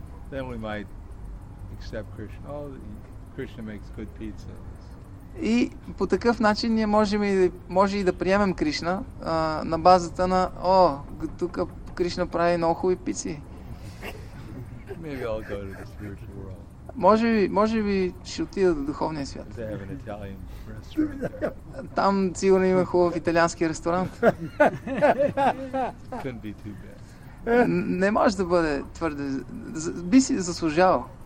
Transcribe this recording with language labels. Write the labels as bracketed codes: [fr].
[en] Then we might accept Krishna. Oh, Krishna makes good pizza. [bg] И по такъв начин ние можем и да приемем Кришна на базата на тук Кришна прави много хубави пици. [en] Maybe I'll go to the spiritual world. [bg] Може би ще отида до духовния свят. [en] They have an Italian restaurant. [bg] Там сигурно има хубав италиански ресторант. [en] Couldn't be too bad. [bg] Не може да бъде твърде. Би си заслужавал.